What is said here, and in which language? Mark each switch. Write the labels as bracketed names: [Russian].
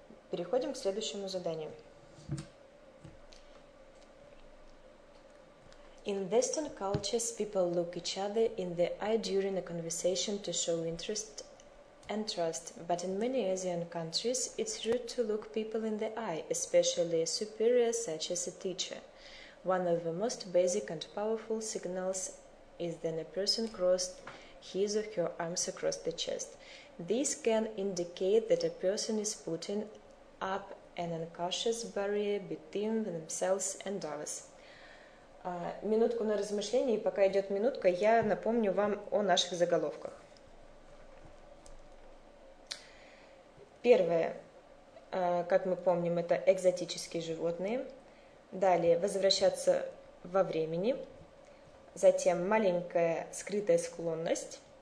[Russian] Переходим к следующему заданию. [English] In Western cultures, people look each other in the eye during a conversation to show interest and trust. But in many Asian countries, it's rude to look people in the eye, especially a superior such as a teacher. One of the most basic and powerful signals is when a person crossed his or her arms across the chest. This can indicate that a person is putting up an unconscious barrier between themselves and others. [Russian] Минутку на размышление, и пока идет минутка, я напомню вам о наших заголовках. Первое, как мы помним, это экзотические животные. Далее, возвращаться во времени. Затем, маленькая скрытая склонность.